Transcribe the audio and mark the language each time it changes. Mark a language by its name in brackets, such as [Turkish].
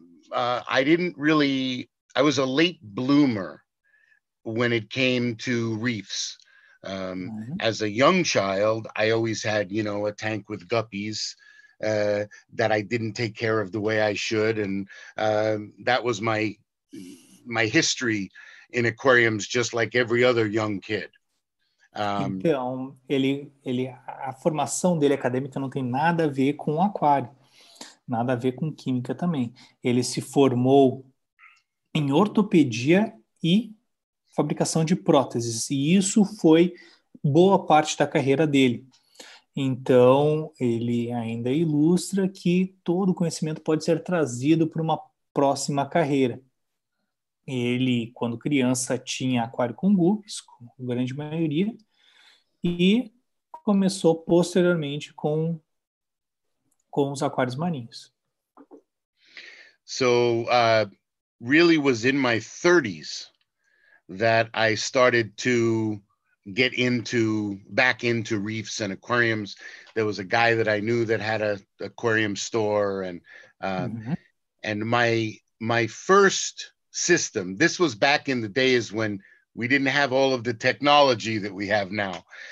[English] I was a late bloomer when it came to reefs. As a young child, I always had, you know, a tank with guppies that I didn't take care of the way I should. And that was my history in aquariums, just like every other young kid. [Portuguese] Então, ele a formação dele acadêmica não tem nada a ver com aquário, nada a ver com química também. Ele se formou em ortopedia e fabricação de próteses, e isso foi boa parte da carreira dele. Então, ele ainda ilustra que todo o conhecimento pode ser trazido para uma próxima carreira. Ele, quando criança, tinha aquário com guppies, como a grande maioria, e começou posteriormente com com os aquários marinhos. [English] So, really was in my 30s that I started to get into, back into reefs and aquariums. There was a guy that I knew that had a aquarium store, and and my first system, this was back in the days when we didn't have all of the technology that we have now.